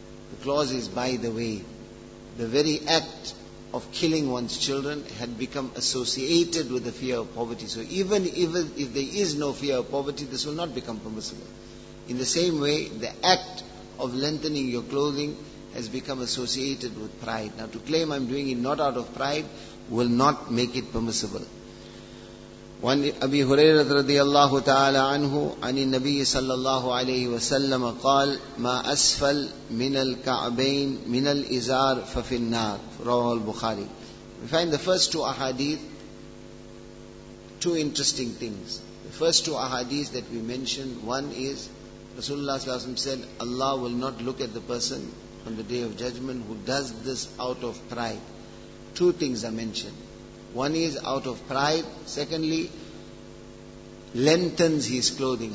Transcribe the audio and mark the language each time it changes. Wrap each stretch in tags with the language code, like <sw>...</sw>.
<en>The clause is by the way. The very act of killing one's children had become associated with the fear of poverty. So even if there is no fear of poverty, this will not become permissible. In the same way, the act of lengthening your clothing has become associated with pride. Now to claim I'm doing it not out of pride will not make it permissible.</en> <ar>وعن أبي هريرة رضي الله تعالى عنه عن النبي صلى الله عليه وسلم قال ما أسفل من الكعبين من الإزار ففي النار رواه البخاري.</ar> <en>We find the first two ahadith, two interesting things. The first two ahadith that we mentioned, one is Rasulullah صلى الله عليه وسلم said Allah will not look at the person on the day of judgment who does this out of pride. Two things are mentioned. One is out of pride. Secondly, lengthens his clothing.</en>